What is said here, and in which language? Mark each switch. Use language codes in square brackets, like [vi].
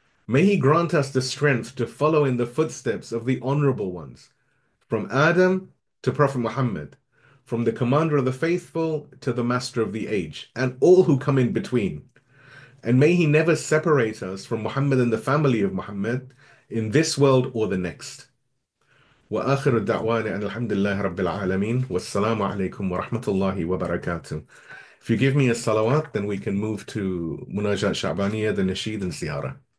[en] May he grant us the strength to follow in the footsteps of the honorable ones, from Adam to Prophet Muhammad, from the commander of the faithful to the master of the age, and all who come in between. And may he never separate us from Muhammad and the family of Muhammad in this world or the next. [ar] وآخر الدعوان أن الحمد لله رب العالمين والسلام عليكم ورحمة الله وبركاته. [en] If you give me a salawat, then we can move to مناجاة شعبانية, the نشيد and زيارة.